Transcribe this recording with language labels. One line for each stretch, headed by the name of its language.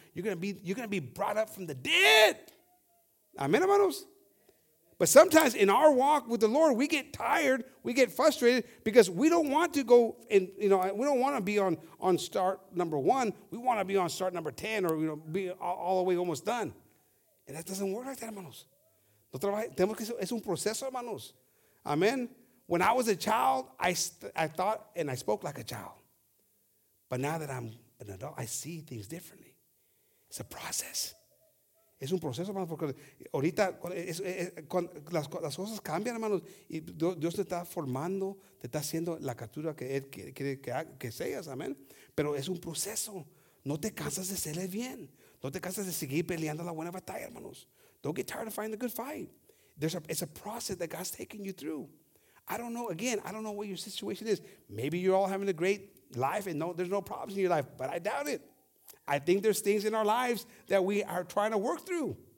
English: You're going to be brought up from the dead.
Spanish: Amen, hermanos?
English: But sometimes in our walk with the Lord, we get tired, we get frustrated because we don't want to go and, you know, we don't want to be on start number one. We want to be on start number 10 or, you know, be all the way almost done. And that doesn't work like that, hermanos.
Spanish: No trabaja, tenemos que es un proceso, hermanos.
English: Amen. When I was a child, I thought and I spoke like a child. But now that I'm an adult, I see things differently. It's a process.
Spanish: Es un proceso, hermanos, porque ahorita las cosas cambian, hermanos, y Dios te está formando, te está haciendo la captura que Él quiere que seas, amén. Pero es un proceso. No te cansas de hacerle bien. No te cansas de seguir peleando la buena batalla, hermanos.
English: Don't get tired of fighting the good fight. It's a process that God's taking you through. I don't know, again, I don't know what your situation is. Maybe you're all having a great life and there's no problems in your life, but I doubt it. I think there's things in our lives that we are trying to work through.